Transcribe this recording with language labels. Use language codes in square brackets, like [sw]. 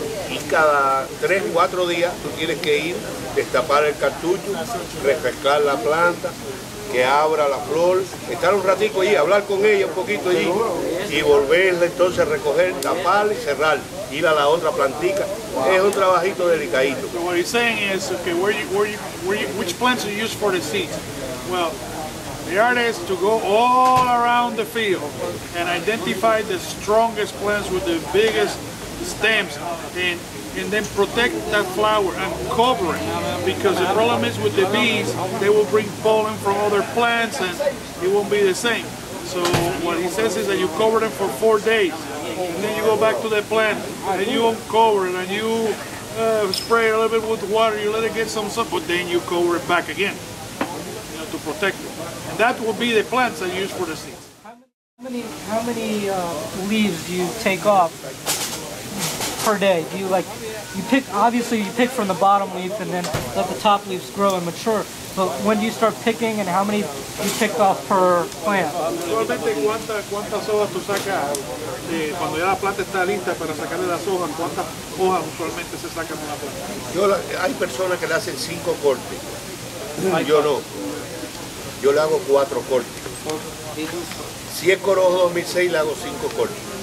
[es] Y cada 3-4 días tú tienes que ir, destapar el cartucho, refrescar la planta, que abra la flor, estar un ratico allí, hablar con ella un poquito allí y volverle entonces a recoger, tapar y cerrar, ir a la otra plantica. Wow. Es un trabajito delicadito. [en] So what he's saying is, okay, which plants you use for the seeds? Well, the art is to go all around the field and identify the strongest plants with the biggest stems and then protect that flower and cover it, because the problem is with the bees, they will bring pollen from other plants and it won't be the same. So what he says is that you cover them for 4 days and then you go back to the plant and you uncover it and you spray a little bit with water, you let it get some sun, but then you cover it back again, you know, to protect it. And that will be the plants that you use for the seeds. How many leaves do you take off per day? Do you like, you pick from the bottom leaf and then let the top leaves grow and mature, but when do you start picking and how many do you pick off per plant? [es] Actualmente, ¿cuántas hojas tú sacas cuando ya la planta está lista para sacarle las hojas? ¿Cuántas hojas usualmente se sacan de la planta? Hay personas que le hacen 5 cortes, yo no. Yo le hago 4 cortes. Si es corojo 2006, le hago 5 cortes.